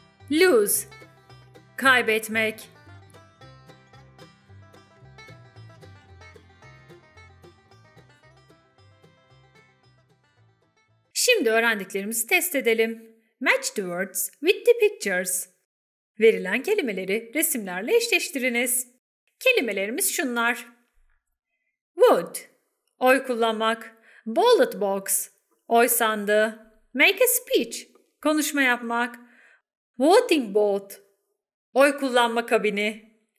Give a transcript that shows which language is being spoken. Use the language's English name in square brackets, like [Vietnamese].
[English] Lose, [Turkish] kaybetmek. Şimdi öğrendiklerimizi test edelim. [English] Match the words with the pictures. [Turkish] Verilen kelimeleri resimlerle eşleştiriniz. Kelimelerimiz şunlar. [English] Would, [Turkish] oy kullanmak. [English] Ballot box, [Turkish] oy sandığı. [English] Make a speech, [Turkish] konuşma yapmak. [English] Voting booth, [Turkish] oy kullanma kabini.